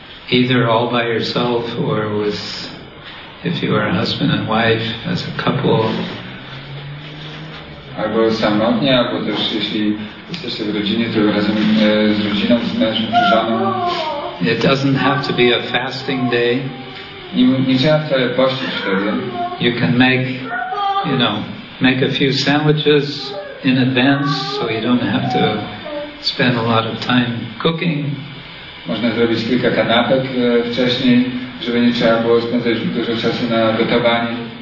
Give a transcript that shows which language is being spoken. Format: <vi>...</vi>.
<en>Either all by yourself or with, if you are a husband and wife, as a couple.</en> <pl>Albo samotnie, albo też jeśli jesteście w rodzinie, to razem z rodziną, z mężem, z żoną.</pl> <en>It doesn't have to be a fasting day.</en> <pl>Nie trzeba wcale pościć wtedy.</pl> <en>You can make, you know, make a few sandwiches in advance so you don't have to spend a lot of time cooking.</en> <pl>Można zrobić kilka kanapek wcześniej, żeby nie trzeba było spędzać dużo czasu na gotowaniu.</pl>